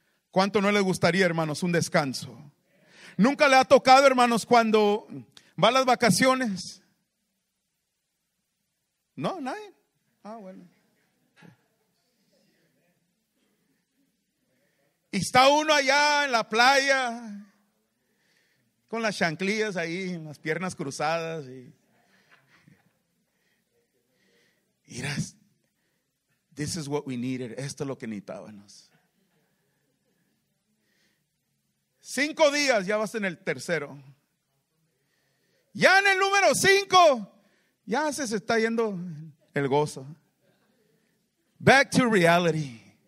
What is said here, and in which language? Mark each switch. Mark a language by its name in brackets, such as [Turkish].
[Spanish] ¿Cuánto no les gustaría, hermanos, un descanso? ¿Nunca le ha tocado, hermanos, cuando va a las vacaciones? ¿No? ¿Nadie? Ah, bueno. Y está uno allá en la playa con las chanclillas ahí, las piernas cruzadas. Y miras, [English] this is what we needed. [Spanish] Esto es lo que necesitábamos. 5 días, ya vas en el tercero. Ya en el número 5, ya se está yendo el gozo. [English] Back to reality.